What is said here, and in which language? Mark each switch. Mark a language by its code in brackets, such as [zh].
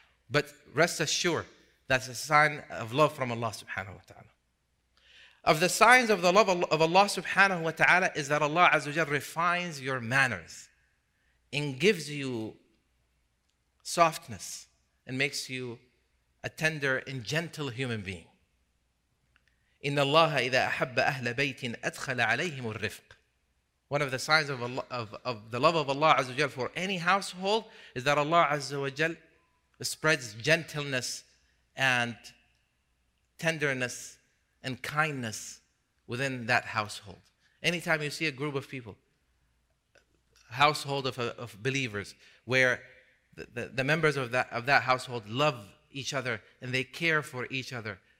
[en] But rest assured, that's a sign of love from Allah subhanahu wa ta'ala. Of the signs of the love of Allah subhanahu wa ta'ala is that Allah azza wa jalla refines your manners and gives you softness and makes you a tender and gentle human being. [ar] إن الله إذا أحب أهل بيت أدخل عليهم الرفق. [en] One of the signs of Allah, of the love of Allah Azza wa Jal for any household is that Allah Azza wa Jal spreads gentleness and tenderness and kindness within that household. Anytime you see a group of people, household of believers, where the members of that household love each other and they care for each other.